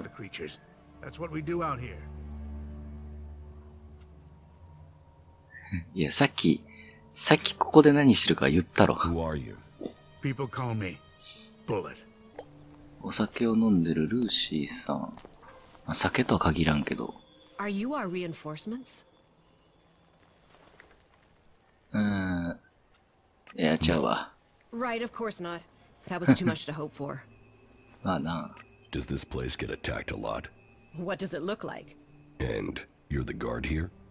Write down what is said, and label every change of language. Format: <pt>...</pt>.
<en>That's what we do out here.</en> <ja>いや、さっきここで何してるか言ったろ。</ja> <en>Who are you? People call me Bullet.</en> <ja>お酒を飲んでるルーシーさん。まあ、酒とは限らんけど。</ja> <en>Are you our reinforcements?</en> <ja>いや、ちゃうわ。</ja> <en>Right, of course not. That was too much to hope for.</en> <ja>まあな。</ja> <en>Does this place get attacked a lot? What does it look like? And you're the guard here?</en>